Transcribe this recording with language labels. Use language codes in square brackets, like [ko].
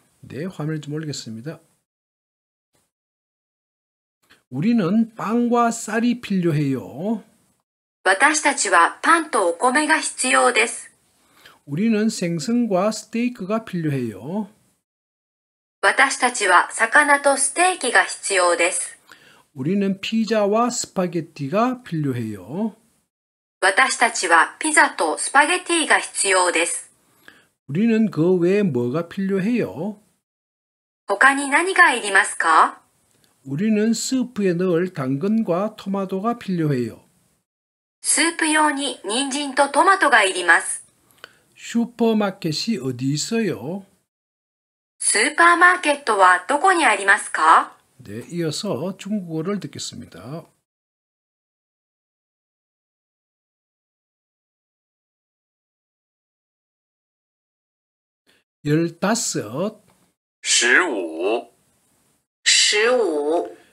[ko] 네, 화면을 좀 올리겠습니다. 우리는 빵과 쌀이 필요해요. [ja] 私たちはパンとお米が必要です. [ko] 우리는 생선과 스테이크가 필요해요. [ja] 私たちは魚とステーキが必要です. [ko] 우리는 피자와 스파게티가 필요해요. [ja] 私たちはピザとスパゲティが必要です. [ko] 우리는 그 외에 뭐가 필요해요? [ja] 他に何がいりますか? [ko] 우리는 스프에 넣을 당근과 토마토가 필요해요. [ja] スープ用に人参とトマトがいります. [ko] 슈퍼마켓이 어디 있어요? [ja] スーパーマーケットはどこにありますか? [ko] 네, 이어서 중국어를 듣겠습니다. 15.